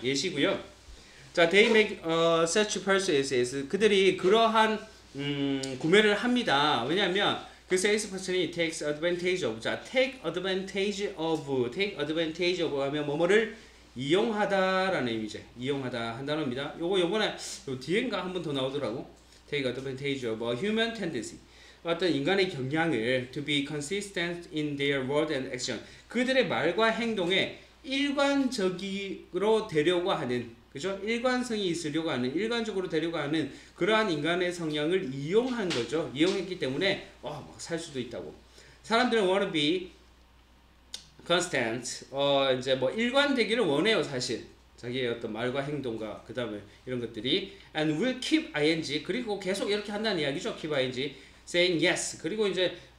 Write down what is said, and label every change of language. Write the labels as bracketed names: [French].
[Korean] 예시고요 자 [English] they make such purchases [Korean] 그들이 그러한 구매를 합니다 왜냐하면 그 salesperson이 [English] takes advantage of [Korean] 자 [English] take advantage of [Korean] 하면 뭐뭐를 이용하다라는 의미죠. 이용하다 한 단어입니다. 요거 요번에 요 뒤엔가 한 번 더 나오더라고. [English] Take advantage of a human tendency. [Korean] 어떤 인간의 경향을 [English] to be consistent in their word and action. [Korean] 그들의 말과 행동에 일관적으로 되려고 하는, 그죠? 일관성이 있으려고 하는, 일관적으로 되려고 하는 그러한 인간의 성향을 이용한 거죠. 이용했기 때문에, 막 살 수도 있다고. 사람들은 [English] wanna be constant [Korean] 이제 뭐 일관되기를 원해요 사실 자기의 어떤 말과 행동과 그 다음에 이런 것들이 [English] and will keep ing [Korean] 그리고 계속 이렇게 한다는 이야기죠 [English] keep ing saying yes [Korean] 그리고 이제